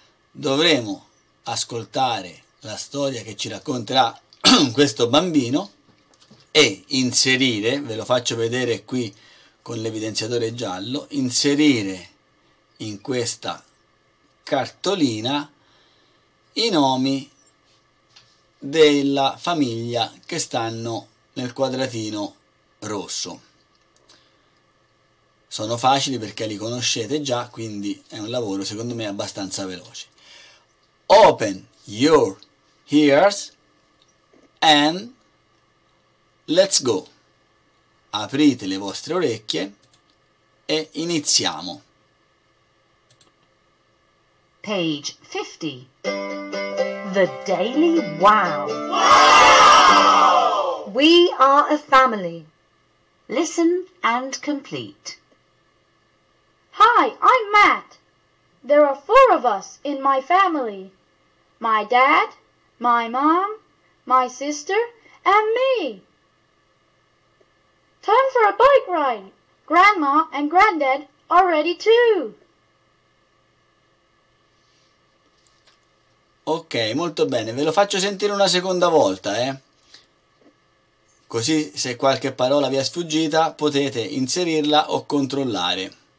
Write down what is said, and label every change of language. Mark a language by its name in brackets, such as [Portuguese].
[Italian] Dovremo ascoltare la storia che ci racconterà questo bambino e inserire, ve lo faccio vedere qui con l'evidenziatore giallo, inserire in questa cartolina i nomi della famiglia che stanno nel quadratino rosso. Sono facili perché li conoscete già, quindi è un lavoro secondo me abbastanza veloce. [English] Open your ears and let's go. [Italian] Aprite le vostre orecchie e iniziamo. [English] Page 50. The Daily Wow. We are a family. Listen and complete. Hi, I'm Matt. There are four of us in my family. My dad, my mom, my sister, and me. Time for a bike ride. Grandma and granddad are ready too. [Italian] Ok, molto bene. Ve lo faccio sentire una seconda volta, Così, se qualche parola vi è sfuggita, potete inserirla o controllare.